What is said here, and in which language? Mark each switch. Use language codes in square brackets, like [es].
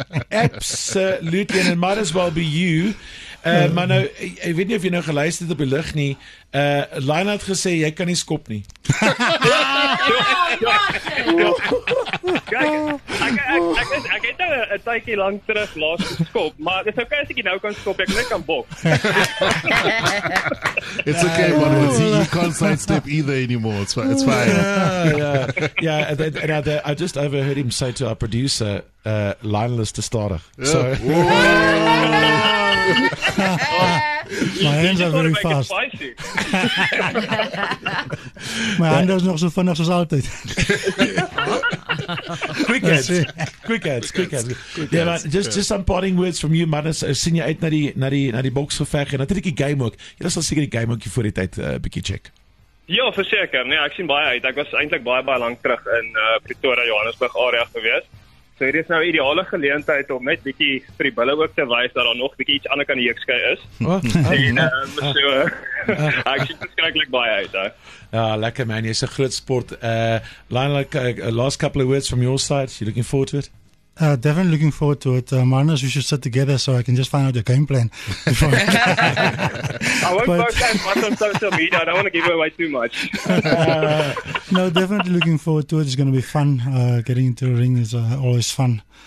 [af] Absoluut, en [en] it might as well be you, [af] maar nou, ek weet nie of jy nou geluister het op die lucht nie, Lina het gesê, jy kan nie skop nie. Kijk, ek het nou een tykie lang terug laatst geskop, maar het is ok as ek nou kan skop, ek net kan bok. [en] It's okay, man, you can't sidestep either anymore, it's fine. I just overheard him say to our producer, Lionel is [af] te stadig. [en] Yeah. So. My hands are very fast. [af] My hand is nog so vinnig soos altyd. [en] Quick ads. Yeah, just some parting words from you, man. [af] Sien jy uit na die boks geveg en natuurlik die game ook. Jy sal seker die game ook voor die tyd bietjie check. Ja, verseker. Nee, ek sien baie uit. Ek was eintlik baie baie lank terug in Pretoria, Johannesburg area gewees. So hier is nou ideale geleentheid om net bietjie vir die bulle ook te wys dat daar nog bietjie iets anders aan die heekskei is. Ek sien verskriklik baie uit, hè. Ja, lekker man, jy is een groot sport. [en] Last couple of words from your side, you looking forward to it? Definitely looking forward to it. Marnus, we should sit together so I can just find out your game plan. I won't post on social media, I don't want to give away too much. Definitely looking forward to it, it's going to be fun. Getting into a ring is always fun.